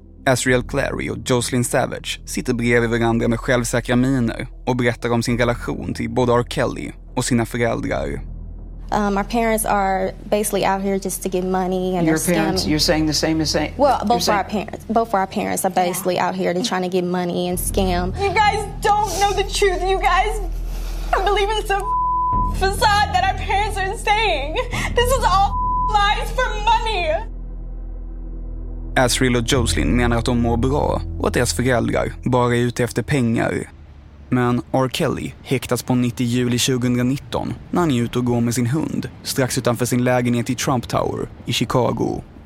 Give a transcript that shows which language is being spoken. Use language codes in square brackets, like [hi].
[sv] Azriel Clary och Jocelyn Savage sitter bredvid varandra med självsäkra miner och berättar om sin relation till både R. Kelly och sina föräldrar. [en] Our parents are basically out here just to get money and your parents, scamming. You're saying the same as saying... Well, both of our parents are basically out here to trying to get money and scam. You guys don't know the truth. You guys believe in some facade that our parents are saying. This is all lies for money. [sv] Azriel och Jocelyn menar att de mår bra och att deras föräldrar bara är ute efter pengar. Men R. Kelly häktas på 90 juli 2019 när han är ute och går med sin hund strax utanför sin lägenhet i Trump Tower i Chicago.